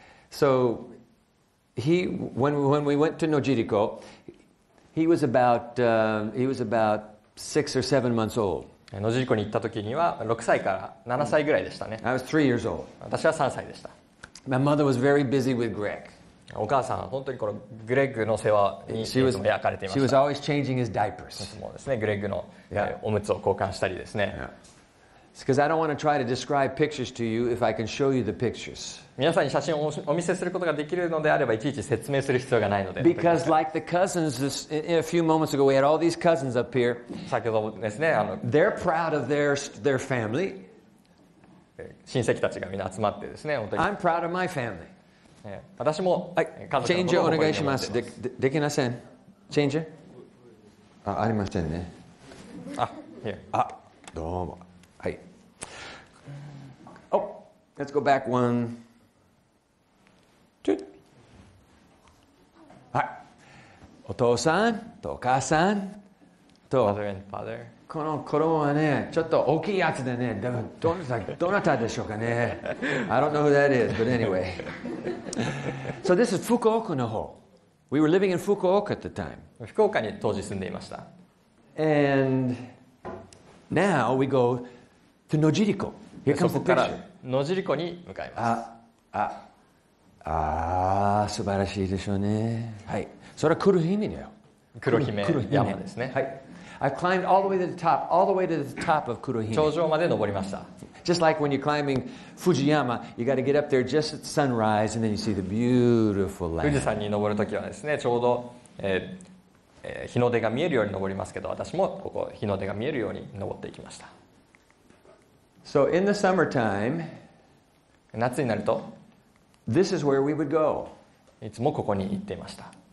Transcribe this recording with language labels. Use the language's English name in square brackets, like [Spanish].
[English] So he when we went to Nojiriko, he was about six or seven months old. [Japanese] 野尻湖に行った時には6歳から7歳ぐらいでしたね。 [English] I was 3 years old. [Japanese] 私は3歳でした。 [English] My mother was very busy with Greg. [Japanese] お母さんは本当にこのグレッグの世話にいつも焼かれていました。 [English] She was always changing his diapers. [Japanese] いつもですね、グレッグの、yeah. おむつを交換したりですね。Yeah. [English] Because I don't want to try to describe pictures to you if I can show you the pictures. [Japanese] 皆さんに写真をお見せすることができるのであればいちいち説明する必要がないので。 [English] Because like the cousins, a few moments ago, we had all these cousins up here. [Japanese] 先ほどですね、 [English] They're proud of their family. [Japanese] 親戚たちが皆集まってですね、本当に。 [English] I'm proud of my family. [Japanese] 私も家族のことを。お願いします。できません。チェンジ？あ、ありませんね。あ、いや。あ、どうも。 [English] Oh, let's go back one. Toot. [Japanese] Hi. Oto-san, to-ka-san, [English] to... Mother and father. [Japanese] この子供はね、ちょっと大きいやつでね、どなたでしょうかね。 [English] I don't know who that is, but anyway. So this is Fukuoka [Japanese] の方. [English] We were living in Fukuoka at the time. [Japanese] 福岡に当時住んでいました。 [English] And now we go to Nojiriko. [Japanese] そこから野尻湖に向かいます。ああ素晴らしいでしょうね。はい。それは黒姫だよ。黒姫山ですね。 [English] はい。I climbed all the way to the top, all the way to the top of 黒姫。 [Japanese] 頂上まで登りました。 [English] Just like when you're climbing Fujiyama, you got to get up there just at sunrise and then you see the beautiful land. [Japanese] 富士山に登るときはですね、ちょうど、日の出が見えるように登りますけど、私もここ日の出が見えるように登っていきました。 [English] So in the summertime, [Japanese] 夏になると、 [English] this is where we would go. [Japanese] いつもここに行っていました。